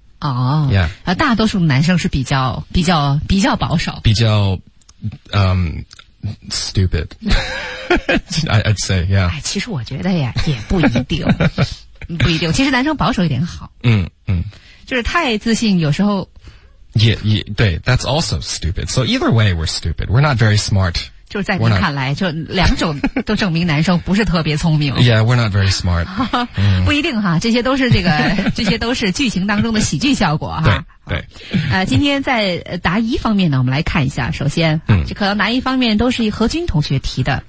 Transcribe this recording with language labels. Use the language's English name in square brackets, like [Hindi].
[Chinese] 哦， yeah，大多数男生是比较保守，比较stupid 。 [English] I'd say yeah。 [Chinese] 哎，其实我觉得呀，也不一定，不一定。其实男生保守一点好。就是太自信有时候也对 [English] that's also stupid so either way we're stupid we're not very smart [Chinese] 就是在你看来就两种都证明男生不是特别聪明 [English] yeah we're not very smart [Chinese] 不一定哈，这些都是这个这些都是剧情当中的喜剧效果哈。对今天在答疑方面呢我们来看一下，首先这可能答疑方面都是何军同学提的